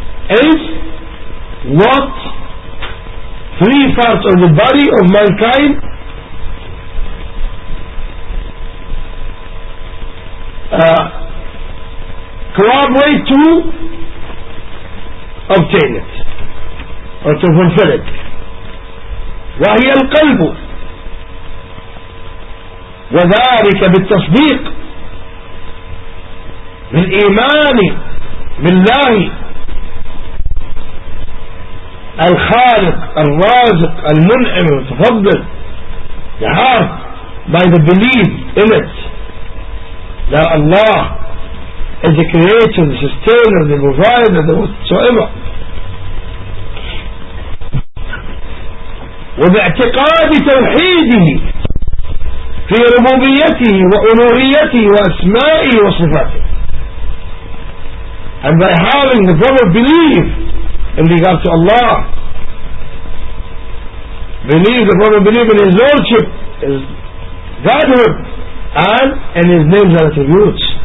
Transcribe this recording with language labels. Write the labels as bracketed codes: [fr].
[en] Is what three parts of the body of mankind cooperate to obtain it or to fulfill it. [ar] وهي القلب وذلك بالتصديق بالإيمان بالله الخالق الرازق المنعم المتفضل. [en] The heart by the belief in it that Allah is the creator, the sustainer, the provider, the whatsoever. [ar] وباعتقاد توحيده في ربوبيته وألوهيته وأسمائه وصفاته. [en] And by having the proper belief in regard to Allah, believe the proper belief in His Lordship, His Godhood, and in His names and attributes.